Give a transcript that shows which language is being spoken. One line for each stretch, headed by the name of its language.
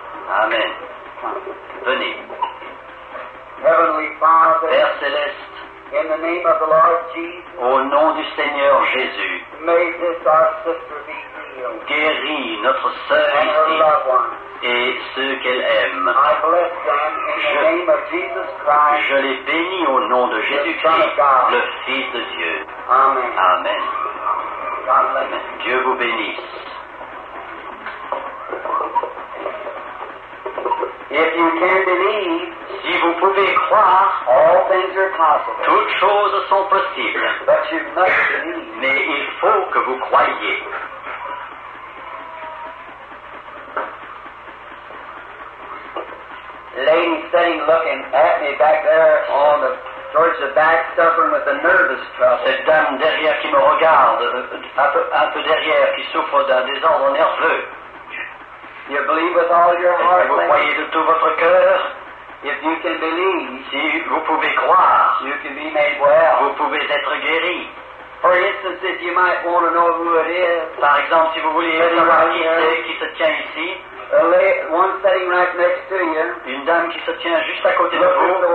French: Amen. Venez.
English: Heavenly Father,
French: Père céleste,
English: in the name of the Lord Jesus,
French: au nom du Seigneur Jésus,
English: may this our sister be healed.
French: Guéris notre sœur ici et ceux qu'elle aime.
English: I bless them in the name of Jesus Christ.
French: Je les bénis au nom de Jésus-Christ, le Fils de Dieu.
English: Amen.
French: Amen. Dieu vous bénisse.
English: If you can believe,
French: si vous pouvez croire,
English: all things are possible.
French: Toutes choses sont possibles.
English: But you must believe.
French: Mais il faut que vous croyiez.
English: Lady sitting looking at me back there on the towards the back, suffering with a nervous trouble.
French: Cette dame derrière qui me regarde, un peu derrière, qui souffre d'un désordre nerveux.
English: You believe with all your heart.
French: Vous croyez de tout votre cœur.
English: If you can believe,
French: si vous pouvez croire,
English: you can be made well.
French: Vous pouvez être guéri.
English: For instance, if you might want to know who it is.
French: Par exemple, si vous voulez savoir qui c'est qui se tient ici.
English: One sitting right next to you.
French: Une dame qui se tient juste à côté de vous.